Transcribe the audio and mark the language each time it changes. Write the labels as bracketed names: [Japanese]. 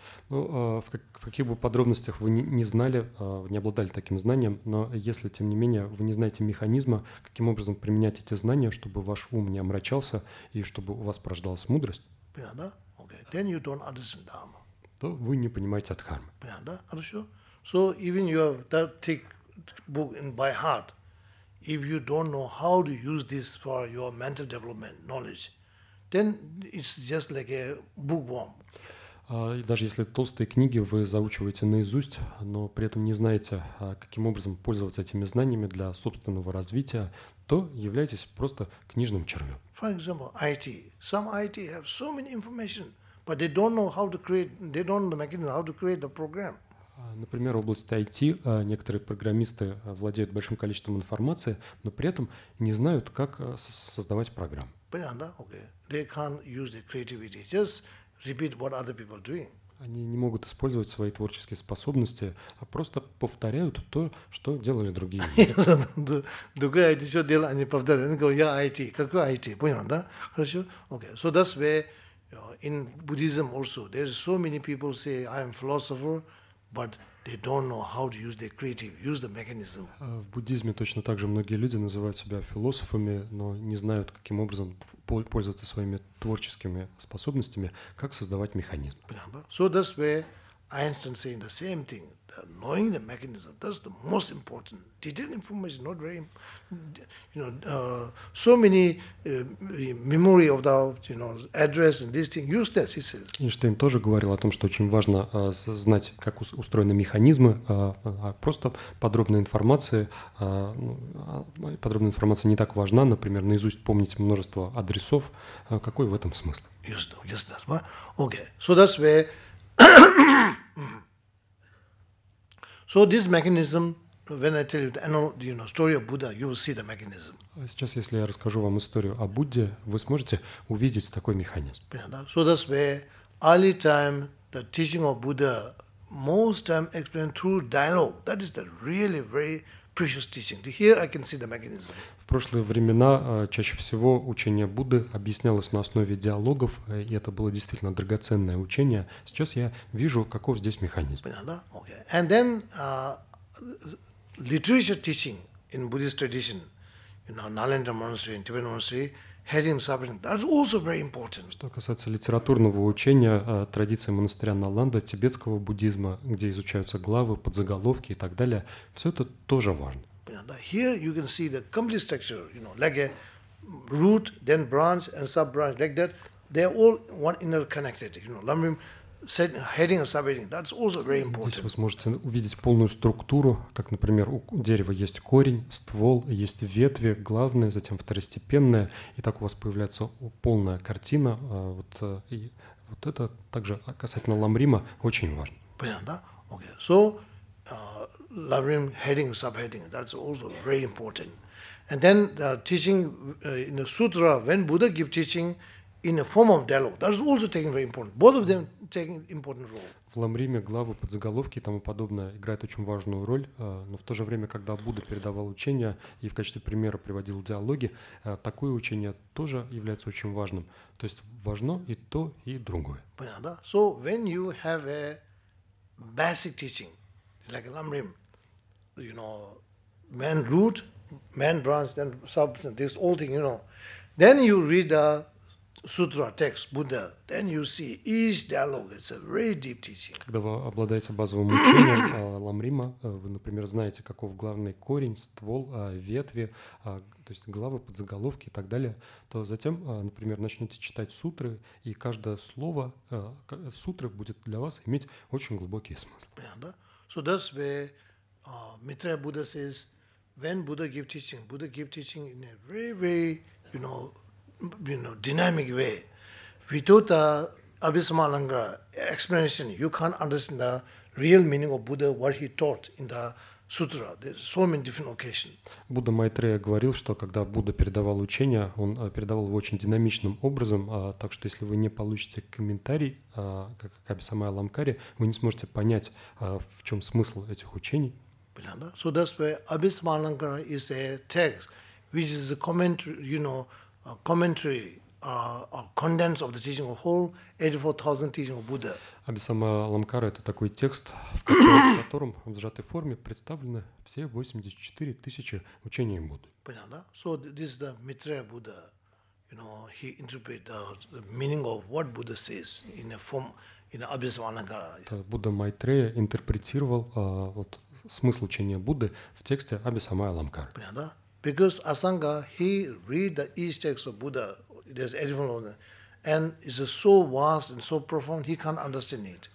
[Russian] Ну, в каких бы подробностях вы не знали, не обладали таким знанием, но если, тем не менее, вы не знаете механизма, каким образом применять эти знания, чтобы ваш ум не омрачался и чтобы у вас порождалась мудрость, [English] yeah, [Russian] да? [English] Okay. Then you don't understand dharma. [Russian] То вы не понимаете от дхармы. [English] Yeah, [Russian] да? Хорошо. [English] So even you have that thick book in by heart, if you don't know how to use this for your mental development knowledge, then it's just like a bookworm. [Russian] И даже если толстые книги вы заучиваете наизусть, но при этом не знаете, каким образом пользоваться этими знаниями для собственного развития, то являетесь просто книжным червем. [English] For example, IT. Some IT have so many information, but they don't know how to create, they don't know the mechanism how to create the program. [Russian] Например, в области IT некоторые программисты владеют большим количеством информации, но при этом не знают, как создавать программу. Понятно, [English] okay. They can't use their creativity. Just repeat what other people doing. [Russian] Они не могут использовать свои творческие способности, а просто повторяют то, что делали другие. Другие IT все делали, они повторяют. Они говорят, я IT. Какой IT? Понял, да? Хорошо? [English] Okay. So that's where, you know, in Buddhism also, there's so many people say, I am philosopher, but they don't know how to use their creative, use the mechanism. [Russian] В буддизме точно так же многие люди называют себя философами, но не знают, каким образом пользоваться своими творческими способностями, как создавать механизм. [English] So that's where Einstein saying the same thing, that knowing the mechanism, that's the most important. Detailed information, not very, you know, so many memory of the, you know, address and this thing, useless, he says. [Russian] Эйнштейн тоже говорил о том, что очень важно знать, как устроены механизмы, а просто подробная информация не так важна, например, наизусть помнить множество адресов. Какой в этом смысл? [English] Useless, what? Okay, so that's where... So this mechanism, when I tell you the, you know, story of Buddha, you will see the mechanism. [Russian] Сейчас, если я расскажу вам историю о Будде, вы сможете увидеть такой механизм. [English] So that's where early time the teaching of Buddha most time explained through dialogue. That is the really very precious teaching. Here I can see the mechanism. [Russian] В прошлые времена чаще всего учение Будды объяснялось на основе диалогов, и это было действительно драгоценное учение. Сейчас я вижу, каков здесь механизм. Понятно? [English] Okay. And then literature teaching in Buddhist tradition, you know, Nalanda Monastery and Tibetan Monastery, heading subject, that's also very important. [Russian] Что касается литературного учения, традиции монастыря Наланда, тибетского буддизма, где изучаются главы, подзаголовки и так далее, все это тоже важно. [English] Here you can see the complete structure, you know, like a root, then branch and sub-branch, like that. They are all one interconnected, you know, lambrim, heading and sub-heading. That's also very important. [Russian] Здесь вы сможете увидеть полную структуру, как, например, у дерева есть корень, ствол, есть ветви, главные, затем второстепенные, и так у вас появляется полная картина. Вот это также касательно ламрима очень важно. Понятно, да? [English] Okay. So, lambrim heading, subheading, that's also very important. And then the teaching in the sutra, when Buddha gives teaching in a form of dialogue, that's also taking very important. Both of them taking important role. [Russian] В ламриме главы, подзаголовки и тому подобное играют очень важную роль, но в то же время, когда Будда передавал учение и в качестве примера приводил диалоги, такое учение тоже является очень важным. То есть важно и то, и другое. Понятно, да? [English] So when you have a basic teaching, like a lambrim, you know, main root, main branch, then substance, this whole thing, you know. Then you read the sutra text, Buddha, then you see each dialogue, it's a very deep teaching. [Russian] Когда вы обладаете базовым учением ламрима, вы, например, знаете, каков главный корень, ствол, ветви, то есть главы, подзаголовки и так далее, то затем, например, начнете читать сутры, и каждое слово сутры будет для вас иметь очень глубокий смысл. Понятно, да? [English] So that's where Maitreya Buddha says, when Buddha gives teaching in a very, very, you know, dynamic way. Without the abhisamalanga explanation, you can't understand the real meaning of Buddha, what he taught in the sutra. There's so many different occasions. [Russian] Будда Майтрея говорил, что когда Будда передавал учение, он передавал его очень динамичным образом, так что если вы не получите комментарий, как Абхисамая Ламкари, вы не сможете понять, в чем смысл этих учений. [English] Yeah. So that's why Abhismalankara is a text which is a commentary, you know, a commentary, a condense of the teaching of whole 84,000 teaching of Buddha. [Russian] Абхисамалангкара — это такой текст, в котором в сжатой форме представлены все 84 тысячи учений Будды. Понятно? [English] So this is the Maitreya Buddha. You know, he interpreted the meaning of what Buddha says in a form, in Абхисамалангкара. [Russian] Будда Майтрея интерпретировал вот смысл учения Будды в тексте Абхисамалангкара. Понятно? [English] Because Asanga, he read the each text of Buddha, there's 84 of them, and it's so vast and so profound, he can't understand it.